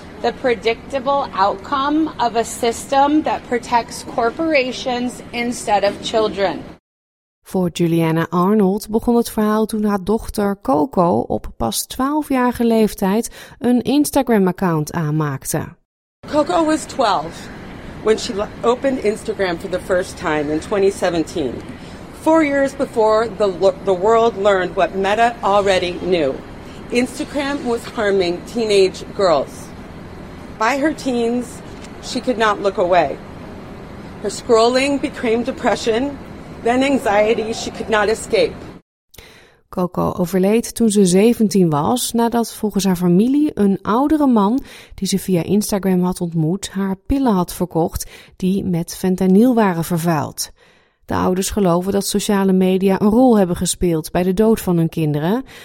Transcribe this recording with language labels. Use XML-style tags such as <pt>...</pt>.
<en>The predictable outcome of a system that protects corporations instead of children.</en> <nl>Voor Juliana Arnold begon het verhaal toen haar dochter Coco op pas 12-jarige leeftijd een Instagram-account aanmaakte.</nl> <en>Coco was 12 when she opened Instagram for the first time in 2017. 4 years before the world learned what Meta already knew. Instagram was harming teenage girls. By her teens, she could not look away. Her scrolling became depression, then anxiety she could not escape.</en> <nl>Coco overleed toen ze 17 was, nadat volgens haar familie een oudere man die ze via Instagram had ontmoet, haar pillen had verkocht die met fentanyl waren vervuild. De ouders geloven dat sociale media een rol hebben gespeeld bij de dood van hun kinderen.</nl>